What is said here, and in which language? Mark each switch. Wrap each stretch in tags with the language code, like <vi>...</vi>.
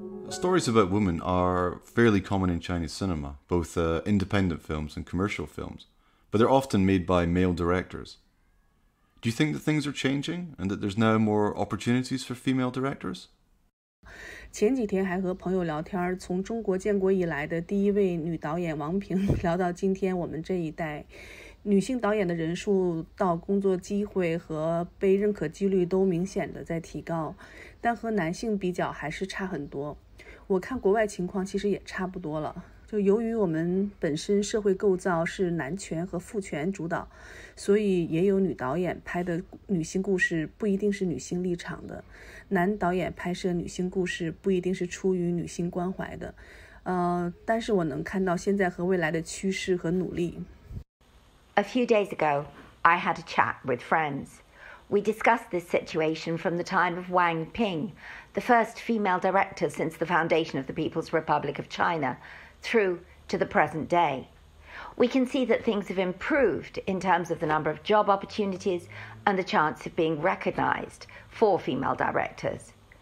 <en>Stories about women are fairly common in Chinese cinema, both independent films and commercial films, but they're often made by male directors. Do you think that things are changing and that there's now more opportunities for female directors?</en> <zh>前几天还和朋友聊天，从中国建国以来的第一位女导演王平聊到今天我们这一代，女性导演的人数到工作机会和被认可几率都明显的在提高，但和男性比较还是差很多。我看国外情况其实也差不多了，就由于我们本身社会构造是男权和父权主导，所以也有女导演拍的女性故事不一定是女性立场的，男导演拍摄女性故事不一定是出于女性关怀的，但是我能看到现在和未来的趋势和努力。</zh> <en>A few days ago, I had a chat with friends. We discussed this situation from the time of Wang Ping,the first female director since the foundation of the People's Republic of China, through to the present day. We can see that things have improved in terms of the number of job opportunities and the chance of being recognized for female directors.</en>